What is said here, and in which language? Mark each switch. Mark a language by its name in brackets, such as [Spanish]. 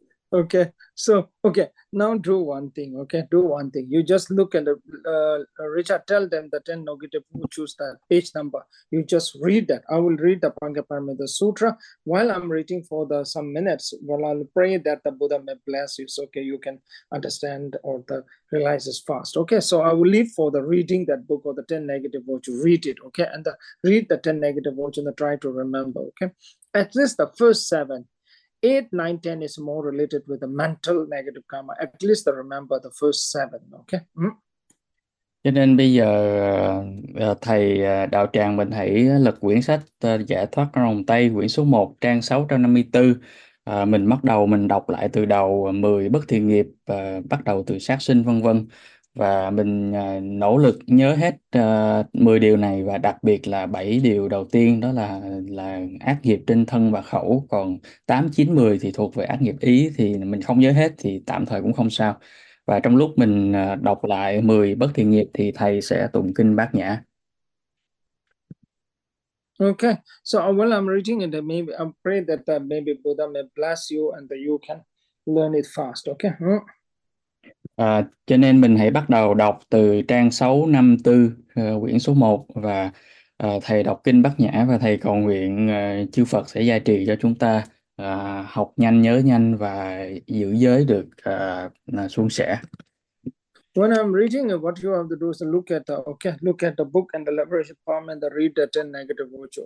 [English] Okay, so okay, now do one thing. Okay, do one thing. You just look at Richard, tell them the 10 negative virtues, that page number. You just read that. I will read the Pangaparamita Sutra while I'm reading for the some minutes. Well, I'll pray that the Buddha may bless you so okay, you can understand or the realizes fast. Okay, so I will leave for the reading that book of the 10 negative virtues. Read it, okay, and read the 10 negative virtues and try to remember. Okay, at least the first seven. 8, 9, 10 is more related with the mental negative karma. At least I remember the first seven. Okay. [Vietnamese] Cho nên bây giờ thầy đạo tràng mình hãy lật quyển sách Giải thoát vòng tay quyển số 1 trang 654. Mình bắt đầu mình đọc lại từ đầu 10 bất thiện nghiệp, bắt đầu từ sát sinh vân vân, và mình nỗ lực nhớ hết 10 điều này, và đặc biệt là 7 điều đầu tiên đó là ác nghiệp trên thân và khẩu, còn 8 9 10 thì thuộc về ác nghiệp ý, thì mình không nhớ hết thì tạm thời cũng không sao. Và trong lúc mình đọc lại 10 bất thiện nghiệp thì thầy sẽ tụng kinh Bát Nhã. [English] Okay, so while I'm reading it, maybe I pray that maybe Buddha may bless you and that you can learn it fast. Okay. [Vietnamese] À, cho nên mình hãy bắt đầu đọc từ trang 654, quyển số 1, và thầy đọc kinh Bát Nhã, và thầy cầu nguyện chư Phật sẽ gia trì cho chúng ta. Học nhanh nhớ nhanh và giữ giới được suôn sẻ. [English] When I'm reading, what you have to do is look at look at the book and the liberation palm and the read the 10 negative virtue.